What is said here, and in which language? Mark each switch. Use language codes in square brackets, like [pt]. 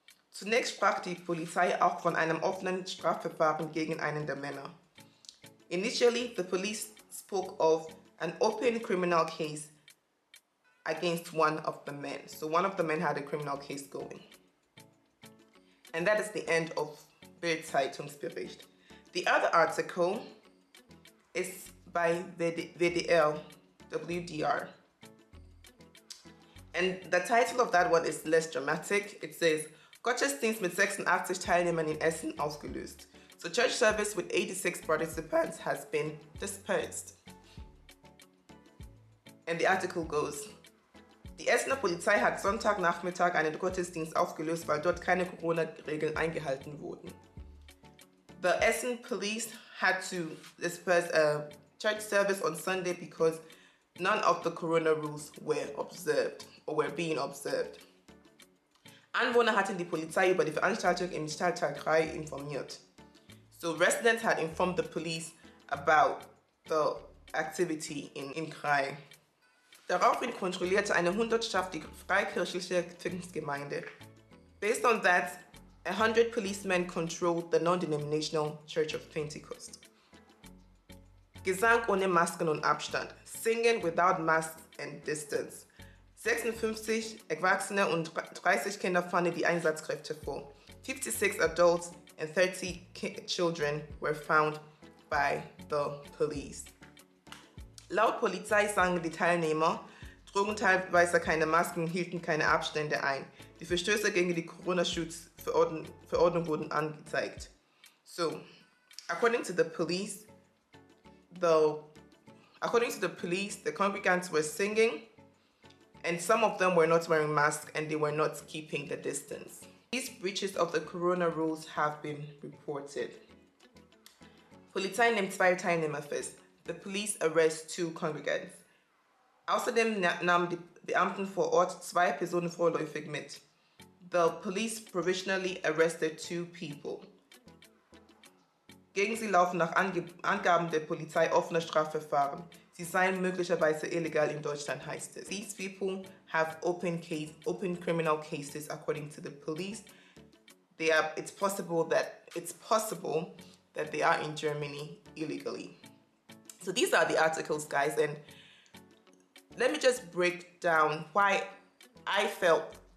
[de] Zunächst sprach die Polizei auch von einem offenen Strafverfahren gegen einen der Männer. [en] Initially, the police spoke of an open criminal case against one of the men. So one of the men had a criminal case going. And that is the end of Bild Zeitungsbericht. The other article is by WDR, WDR. And the title of that one is less dramatic. It says, [de] Gottesdienst mit 86 Teilnehmern in Essen aufgelöst. [en] So church service with 86 participants has been dispersed. And the article goes, [de] die Essener Polizei hat Sonntagnachmittag einen Gottesdienst aufgelöst, weil dort keine Corona-Regeln eingehalten wurden. [en] The Essen police had to disperse a church service on Sunday because none of the corona rules were observed or were being observed. [de] Anwohner hatten die Polizei über die Veranstaltung im Stadtteil 3 informiert. [en] So residents had informed the police about the activity in Krai. [de] Daraufhin kontrollierte eine Hundertschaft die freikirchliche Pfingstgemeinde. [en] Based on that, 100 policemen controlled the non-denominational Church of Pentecost. [de] Gesang ohne Masken und Abstand. [en] Singing without masks and distance. [de] 56 Erwachsene und 30 Kinder fanden die Einsatzkräfte vor. [en] 56 adults and 30 children were found by the police. [de] Laut Polizei sangen die Teilnehmer, trugen teilweise keine Masken, hielten keine Abstände ein. Die Verstöße gegen die Corona-Schutzverordnung wurden angezeigt. [en] So, according to the police, the congregants were singing and some of them were not wearing masks and they were not keeping the distance. These breaches of the corona rules have been reported. [de] Polizei nimmt zwei Teilnehmer fest. [en] The police arrest two congregants. [de] Außerdem nahmen die Beamten vor Ort zwei Personen vorläufig mit. [en] The police provisionally arrested two people. [de] Gegen sie laufen nach Angaben der Polizei offene Strafverfahren. Sie seien möglicherweise illegal in Deutschland, heißt es. [en] These people have open criminal cases, according to the police. It's possible that they are in Germany illegally. So these are the articles, guys, and let me just break down why I felt